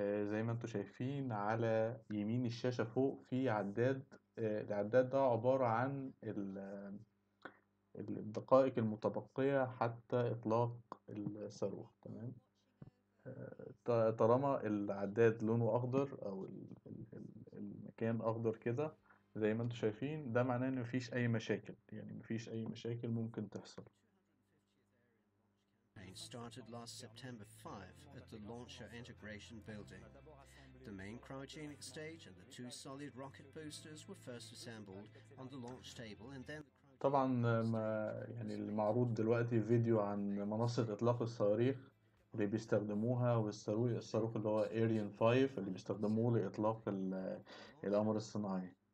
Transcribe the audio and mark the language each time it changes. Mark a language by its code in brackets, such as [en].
[ar] زي ما انتم شايفين على يمين الشاشة فوق في عداد، العداد ده عبارة عن الدقائق المتبقية حتى إطلاق الصاروخ. تمام، طالما العداد لونه أخضر أو المكان أخضر كده زي ما انتم شايفين، ده معناه إن مفيش أي مشاكل، يعني مفيش أي مشاكل ممكن تحصل. [en] It started last September 5 at the Launcher Integration Building. The main cryogenic stage and the two solid rocket boosters were first assembled on the launch table and then. [ar] طبعا ما يعني المعروض دلوقتي فيديو عن منصة إطلاق الصواريخ اللي بيستخدموها، والصاروخ اللي هو آريان 5 اللي بيستخدموه لإطلاق القمر الصناعي.